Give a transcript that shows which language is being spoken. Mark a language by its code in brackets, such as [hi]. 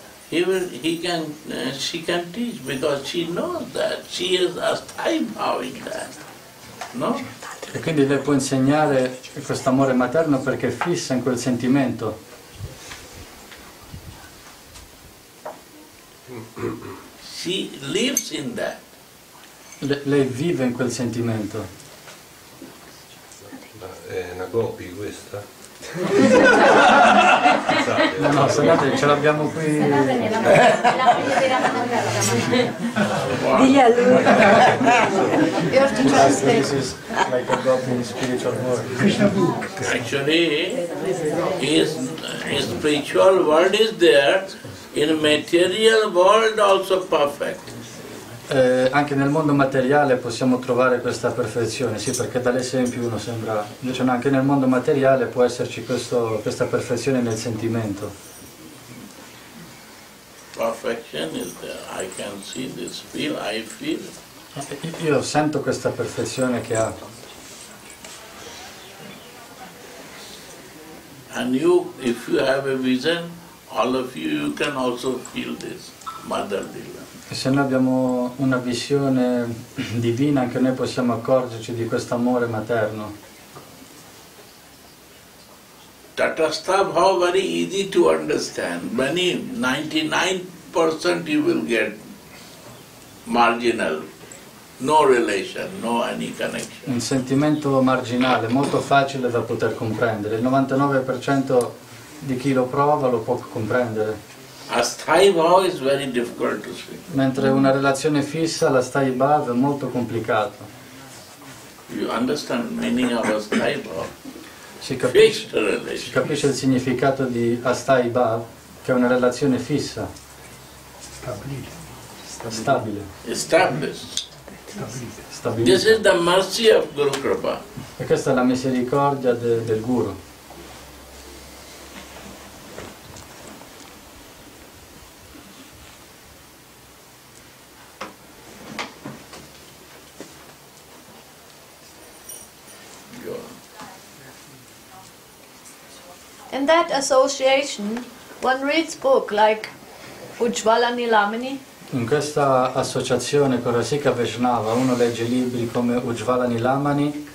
[en] She can teach because she knows that she is a time having that, no? [it] E quindi lei può insegnare questo amore materno perché è fissa in quel sentimento. [en] She lives in that. [it] Lei vive in quel sentimento. Ma è una gopi questa? No, no, scusate, ce l'abbiamo qui. Digli a lui. [en] You have to trust him. This is like a God in spiritual world. Actually, his spiritual world is there. In material world also perfect. [it] Anche nel mondo materiale possiamo trovare questa perfezione, sì, perché dall'esempio uno sembra, invece no, anche nel mondo materiale può esserci questa perfezione nel sentimento. [en] Perfection is there. I can see this, feel, I feel. [it] Io sento questa perfezione che ha. [en] And you, if you have a vision, all of you, you can also feel this, Mother Lila. [it] E se noi abbiamo una visione divina, anche noi possiamo accorgerci di questo amore materno. [en] Tatastha bhav, very easy to understand. Many, 99% you will get marginal, no relation, no any connection. [it] Un sentimento marginale, molto facile da poter comprendere. Il 99% di chi lo prova lo può comprendere. [en] Asthai bhav is very difficult to see. [it] Mentre una relazione fissa, l'asthai bhav è molto complicato. [en] You understand meaning of asthai bhav? [it] Si capisce il significato di asthai bhav, che è una relazione fissa. Stabile. [en] Stabile. This is the mercy of Guru Kripa. [it] E questa è la misericordia del Guru. [en] In that association, one reads book like Ujjvala Nilamani. [it] In questa associazione con Rasika Vaishnava, uno legge libri come Ujjvala Nilamani,